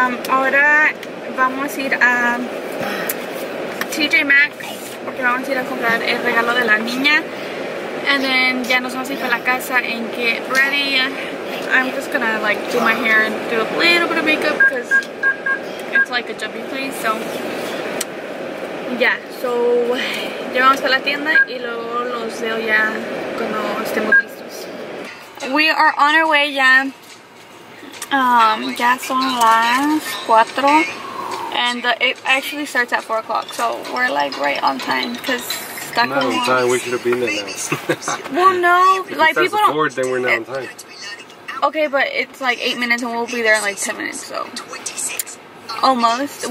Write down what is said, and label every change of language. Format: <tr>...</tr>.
<es>Ahora vamos a ir a TJ Maxx porque vamos a ir a comprar el regalo de la niña.</es> <en>And then</en> <es>ya nos vamos a ir para la casa</es> <en>and get ready. I'm just gonna like do my hair and do a little bit of makeup because it's like a jumpy place. So yeah, so</en> <es>ya vamos para la tienda y luego los veo ya cuando estemos listos.</es> <en>We are on our way ya.</en> <es>Ya son las 4</es> <en>and it actually starts at 4 o'clock, so we're like right on time because stuck on time. We should have been there now. Well, no, if like it people don't board, then we're not on time. Okay, but it's like 8 minutes and we'll be there in like 10 minutes, so almost.</en>